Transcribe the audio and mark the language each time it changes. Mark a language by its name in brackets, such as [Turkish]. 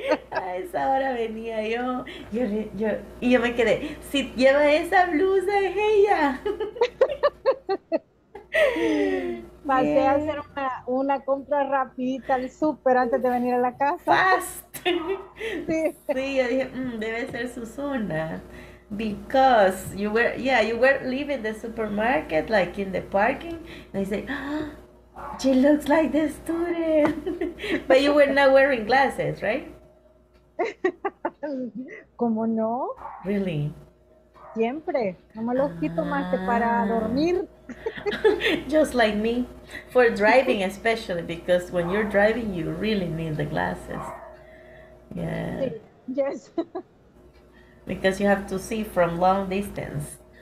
[Spanish] A esa hora venía y yo me quedé. Si lleva esa blusa, es ella. Sí. Pasé a hacer ¿Qué? una compra rapidita al súper antes de venir a la casa. [English] Fast. [Spanish] Sí. Sí, yo dije, debe ser su zona. [English] Because you were leaving the supermarket, like in the parking. And I say, ah, she looks like the student. But you were not wearing glasses, right? [Spanish] ¿Cómo no? [English] Really? [Spanish] Siempre, no me los quito más que para dormir. [English] Just like me. For driving, especially, because when you're driving, you really need the glasses. Yeah. [Spanish] Sí, [English] yes. Because you have to see from long distance.